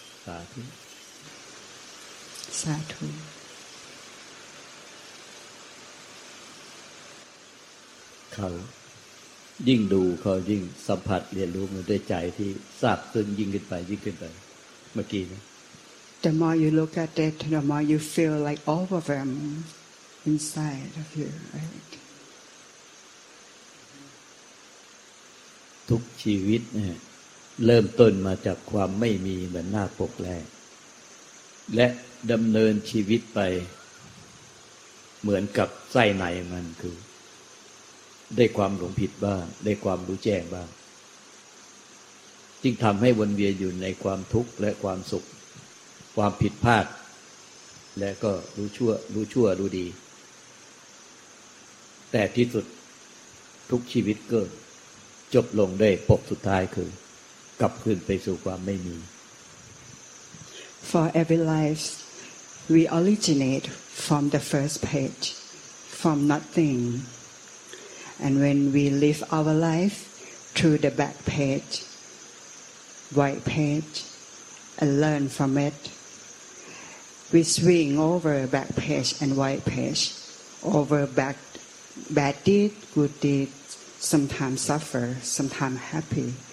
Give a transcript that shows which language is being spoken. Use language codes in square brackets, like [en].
[th] สาธุ สาธุ เขายิ่งดูเขายิ่งสัมผัสเรียนรู้มันด้วยใจที่ซาบซึ้งยิ่งขึ้นไปยิ่งขึ้นไปเมื่อกี้นะ [en] The more you look at it, the more you feel like all of them inside of you, right? [th] ทุกชีวิตเนี่ยเริ่มต้นมาจากความไม่มีเหมือนหน้าปกแรกและดำเนินชีวิตไปเหมือนกับไส้ในมันคือได้ความหลงผิดบ้างได้ความรู้แจ้งบ้าง จึงทำให้วนเวียนอยู่ในความทุกข์และความสุขความผิดพลาดและก็รู้ชั่วรู้ดีแต่ที่สุดทุกชีวิตก็จบลงได้ปกสุดท้ายคือกลับคืนไปสู่ความไม่มี [en] For every life we originate from the first page from nothing and when we live our life through the back page white page and learn from it we swing over back page and white page over back bad deed good deedSometimes suffer, sometimes happy.